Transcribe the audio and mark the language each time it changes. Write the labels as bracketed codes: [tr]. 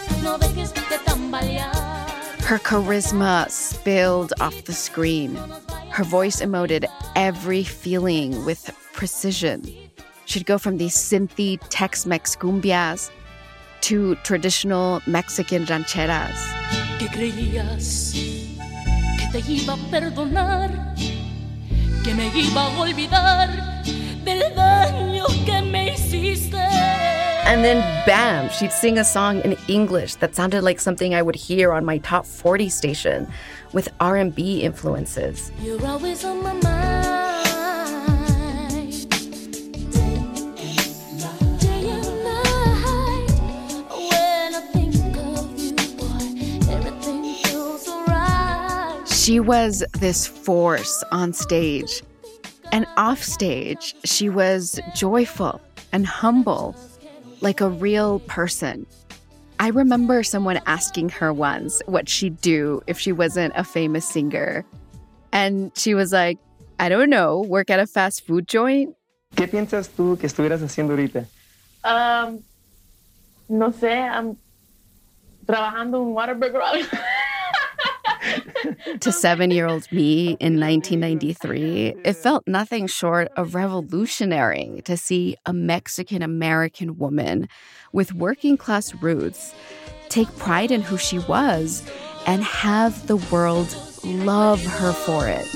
[en] Her charisma spilled off the screen. Her voice emoted every feeling with precision. She'd go from these synthy Tex-Mex cumbias to traditional Mexican rancheras. [es] ¿Qué creías? Te iba a perdonar, que me iba a olvidar del daño que me hiciste. [en] And then, bam, she'd sing a song in English that sounded like something I would hear on my top 40 station with R&B influences. You're always on my mind. Day and night, when I think of you, boy, everything feels alright. She was this force on stage. And off stage, she was joyful and humble. Like a real person. I remember someone asking her once what she'd do if she wasn't a famous singer. And she was like, I don't know, work at a fast food joint? [es] ¿Qué piensas tú que estuvieras haciendo ahorita? No sé, [en] I'm [es] trabajando en Whataburger. [en] To seven-year-old me in 1993, it felt nothing short of revolutionary to see a Mexican-American woman with working-class roots take pride in who she was and have the world love her for it.